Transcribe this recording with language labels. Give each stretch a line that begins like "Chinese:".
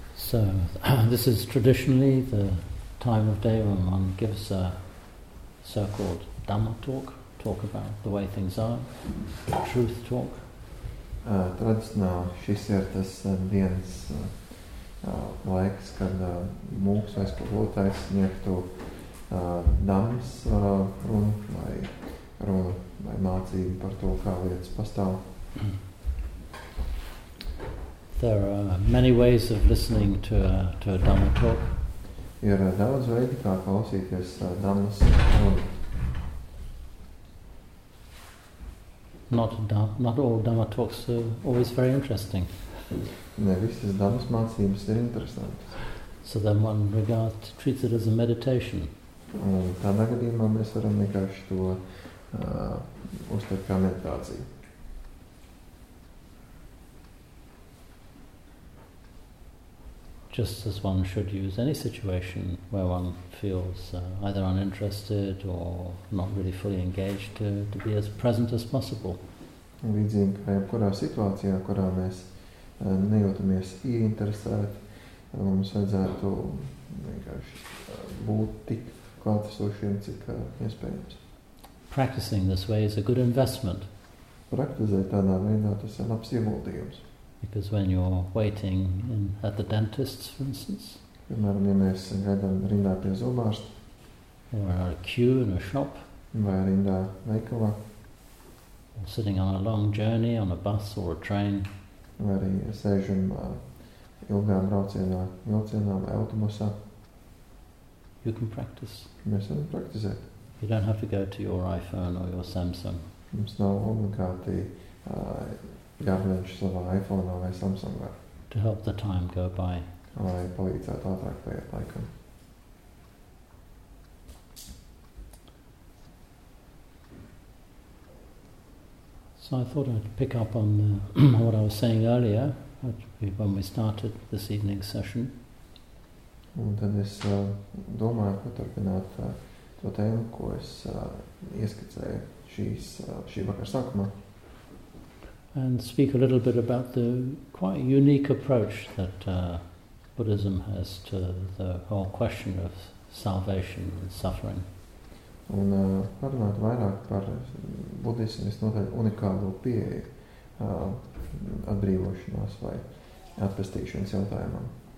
English: So this is traditionally the time of day when one gives a so-called Dhamma talk, talk about the way things are, truth talk.
Latvian: Tradicionā šis ir tas dienas laiks, kad mūks vai skolotājs sniegtu Dhammas runu vai mācību par to, kā lietas pastāv.
English: There are many ways of listening to a Dhamma talk.
Latvian: Ir daudz veidu, kā klausīties Dhammas.
English: Not all Dhamma talks are always very interesting.
Latvian: Ne visas Dhammas mācības ir interesantas.
English: So then one treats it as a meditation.
Latvian: Un tādā gadījumā mēs varam vienkārši to uztvert kā meditāciju.
English: Just as one should use any situation where one feels either uninterested or not really fully engaged to be as present as possible.
Latvian: Līdzīgi kā jebkurā situācijā, kurā mēs nejūtamies ieinteresēti, mums vajadzētu vienkārši būt tik klātesošiem, cik iespējams.
English: Practicing this way is a good investment.
Latvian: Praktizēt tādā veidā, tas ir labs ieguldījums.
English: Because when you're waiting at the dentist's, for instance,
Latvian: piemēram, ja mēs gaidām rindā pie zobārsta,
English: or a queue in a shop,
Latvian: vai rindā veikalā,
English: or sitting on a long journey on a bus or a train,
Latvian: vai arī sēžam ilgā braucienā, vilcienā vai autobusā,
English: you can practice.
Latvian: Mēs varam praktizēt.
English: You don't have to go to your iPhone or your Samsung.
Latvian: Mums nav obligāti jāvienš savā iPhone vai Samsungā.
English: To help the time go by.
Latvian: Lai palīdzētu ātrāk paiet laikam.
English: So I thought I'd pick up on the what I was saying earlier when we started this evening session.
Latvian: Un tad es domāju paturpināt to tēmu, ko es ieskicēju šī vakara sākumā.
English: And speak a little bit about the quite unique approach that Buddhism has to the whole question of salvation and suffering.
Latvian: Un parunāt vairāk par budismas noteikti unikālo pieeju atbrīvošanās vai atpestīšanas jautājumam.